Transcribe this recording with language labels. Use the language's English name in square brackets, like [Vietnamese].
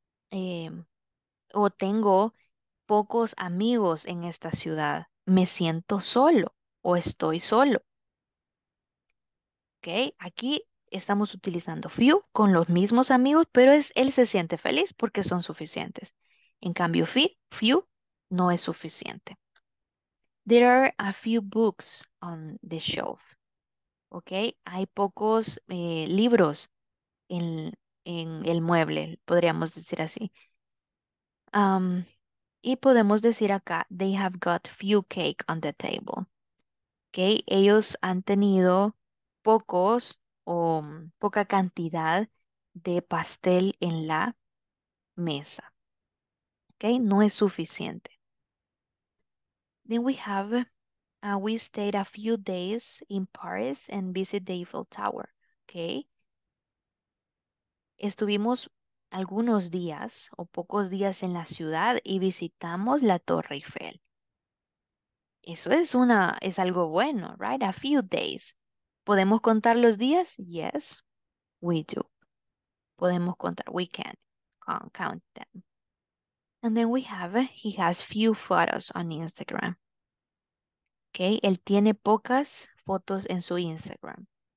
[Spanish] Tengo pocos amigos en esta ciudad. Me siento solo o estoy solo. Okay, aquí estamos utilizando few con los mismos amigos, pero él se siente feliz porque son suficientes. En cambio, few no es suficiente. [English] There are a few books on the shelf. [Spanish] Ok, hay pocos libros en el mueble, podríamos decir así. Y podemos decir acá, [English] they have got few cake on the table. [Spanish] Ok, ellos han tenido poca cantidad de pastel en la mesa. Ok, no es suficiente. [English] Then we have... we stayed a few days in Paris and visited the Eiffel Tower, okay? [Spanish] Estuvimos algunos días o pocos días en la ciudad y visitamos la Torre Eiffel. Eso es algo bueno, right? [English] A few days. [Spanish] ¿Podemos contar los días? [English] Yes, we do. [Spanish] Podemos contar. [English] We can count them. And then we have, he has few photos on Instagram. [Spanish] Okay, él tiene pocas fotos en su Instagram.